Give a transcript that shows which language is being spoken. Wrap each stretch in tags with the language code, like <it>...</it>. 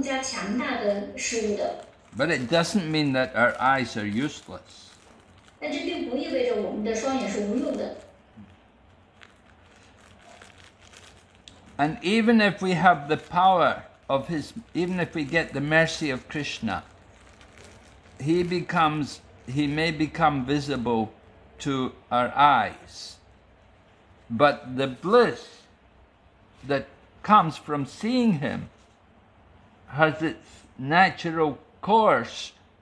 <zh>但是呢，如果仅仅是通过他们的双眼，他们是没有办法见到比这个双眼更加强大的事物的。</zh> <en>But it doesn't mean that our eyes are useless.</en> <zh>但这并不意味着我们的双眼是无用的。</zh> <en>And even if we have the power of his, even if we get the mercy of Krishna, he may become visible to our eyes. But the bliss that comes from seeing him has its natural course.</en>